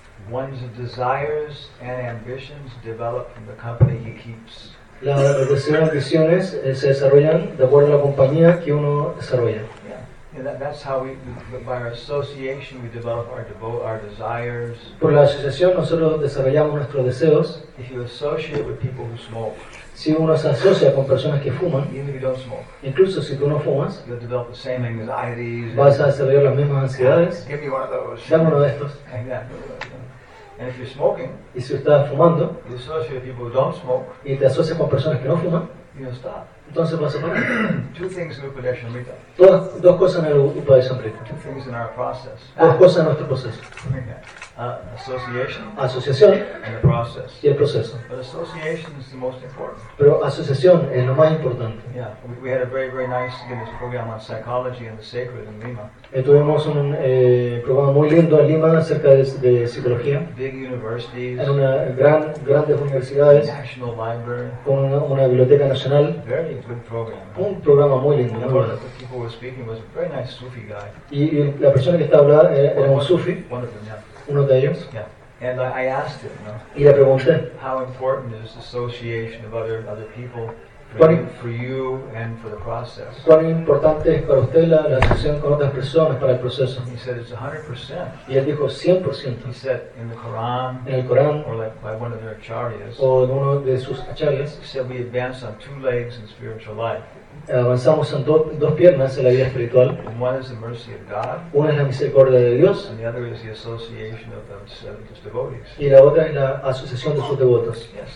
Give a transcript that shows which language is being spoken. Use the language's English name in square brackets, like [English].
[English] One's desires and ambitions develop from the company he keeps. [Spanish] Las deseos y ambiciones se desarrollan de acuerdo a la compañía que uno desarrolla. [English] Yeah. And that's how we, by our association, we develop our desires. [Spanish] Por la asociación nosotros desarrollamos nuestros deseos. [English] If you associate with people who smoke, [Spanish] si uno se asocia con personas que fuman, [English] even if you don't smoke, [Spanish] incluso si tú no fumas, [English] you'll develop the same anxieties. [Spanish] Vas a desarrollar las mismas ansiedades. [English] Give me one of those. [Spanish] Dame uno de estos. [English] Exactly. And if you're smoking, [Spanish] y si estás fumando, [English] you associate with people who don't smoke, [Spanish] y te asocias con personas que no fuman, [English] you'll stop. [Spanish] Entonces vas a parar. [English] Two things in Upadeshamrita. [Spanish] Dos cosas en el Upadeshamrita. [English] Two things in our process. [Spanish] Dos cosas en nuestro proceso. [English] Association. [Spanish] Asociación. [English] And the process. [Spanish] Y el proceso. [English] But association is the most important. [Spanish] Pero asociación es lo más importante. [English] Yeah, we had a very very nice Guinness program on psychology and the sacred in Lima. [Spanish] Tuvimos un programa muy lindo en Lima acerca de psicología. [English] Big universities. [Spanish] En una gran grandes universidades. [English] National library. [Spanish] Con una biblioteca nacional. [English] Very good program. [Spanish] Un programa muy lindo. [English] One of the people were speaking was a very nice Sufi guy. [Spanish] Y la persona que estaba hablando era un Sufi. [English] One of them, yeah. [Spanish] Uno de ellos. [English] Yeah. And I asked him, no? [Spanish] Y le pregunté, [English] how important is association of other people for you and for the process? [Spanish] ¿Cuán importante es para usted la asociación con otras personas para el proceso? [English] He said it's 100%. [Spanish] Y él dijo 100%. [English] He said in the Quran, [Spanish] en el Corán, [English] or like by one of their acharyas, [Spanish] o en uno de sus acharyas, [English] he said we advance on two legs in spiritual life. [Spanish] Avanzamos en dos piernas en la vida espiritual. [English] One is the mercy of God, [Spanish] una es la misericordia de Dios. [English] And the other is the association of those, those devotees. [Spanish] Y la otra es la asociación de sus devotos.